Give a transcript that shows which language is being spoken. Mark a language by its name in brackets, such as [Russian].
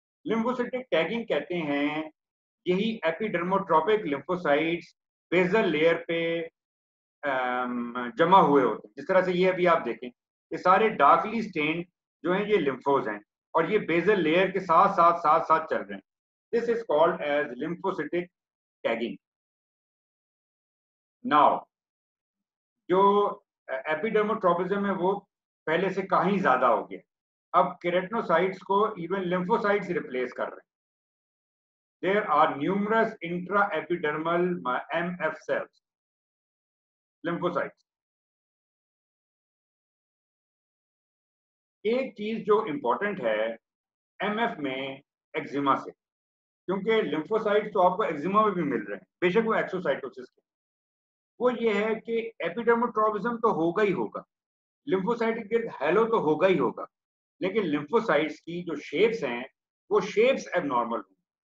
[Hindi] Lymphocytic tagging कहते हैं यही एपिडर्मोट्रोपिक लिम्फोसाइट्स बेसल लेयर पे जमा हुए होते हैं. जिस तरह से ये अभी आप देखें, ये सारे डार्कली स्टेन जो है ये लिम्फोज हैं और ये बेसल लेयर के साथ साथ साथ साथ चल रहे हैं. [English] This is called as lymphocytic tagging. [Hindi] Now, जो epidermotropism है वो पहले से कहीं ज्यादा हो गया. अब keratinocytes को even lymphocytes replace कर रहे हैं. [English] There are numerous intra-epidermal MF cells, lymphocytes. [Hindi] एक चीज जो important है MF में eczema से, क्योंकि लिम्फोसाइट्स तो आपको एक्जिमा में भी मिल रहे हैं बेशक वो एक्सोसाइटोसिस के, वो ये है कि एपिडर्मोट्रोबिज्म तो होगा ही होगा, लिम्फोसाइट के हेलो तो होगा ही होगा, लेकिन लिम्फोसाइट्स की जो शेप्स हैं वो शेप्स एबनॉर्मल होंगे.